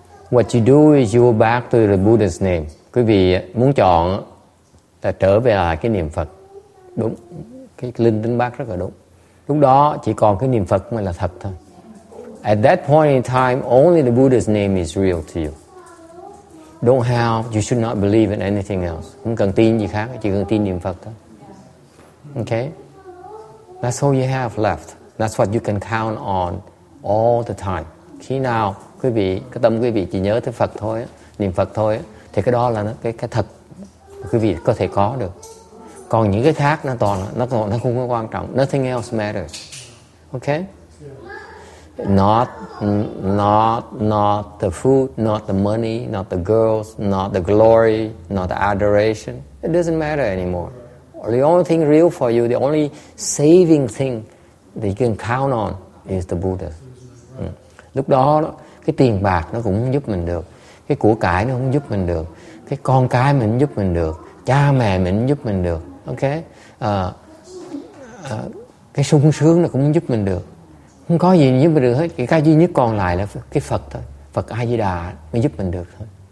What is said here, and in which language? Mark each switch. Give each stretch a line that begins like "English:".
English: What you do is you go back to the Buddha's name.
Vietnamese: Quý vị muốn chọn là trở về lại cái niệm Phật. Đúng. Cái linh tính bác rất là đúng. Lúc đó chỉ còn cái niệm Phật mới là thật thôi.
English: At that point in time, only the Buddha's name is real to you. Don't have, you should not believe in anything else.
Vietnamese: Không cần tin gì khác, chỉ cần tin niệm Phật thôi.
English: Okay. That's all you have left. That's what you can count on all the time.
Vietnamese: Khi nào quý vị, cái tâm quý vị chỉ nhớ tới Phật thôi, niệm Phật thôi, thì cái đó là nó, cái thật quý vị có thể có được. Còn những cái khác nó không có quan trọng.
English: Nothing else matters. Okay? Not the food, not the money, not the girls, not the glory, not the adoration. It doesn't matter anymore. The only thing real for you, the only saving thing that you can count on is the Buddha.
Vietnamese: Lúc đó, cái tiền bạc nó cũng không giúp mình được. Cái của cải nó không giúp mình được. Cái con cái mình không giúp mình được. Cha mẹ mình không giúp mình được. Okay? Cái sung sướng nó cũng không giúp mình được. Không có gì giúp mình được hết. Cái duy nhất còn lại là cái Phật thôi. Phật A-di-đà mới giúp mình được thôi.